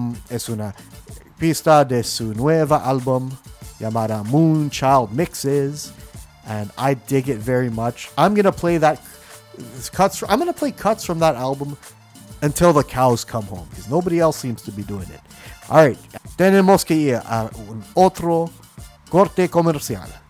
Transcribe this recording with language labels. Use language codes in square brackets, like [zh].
[es] Es una pista de su nueva álbum llamada Moon Child Mixes. [en] And I dig it very much. I'm going to play that. I'm going to play cuts from that album until the cows come home, because nobody else seems to be doing it. All right. [es] Tenemos que ir a un otro corte comercial.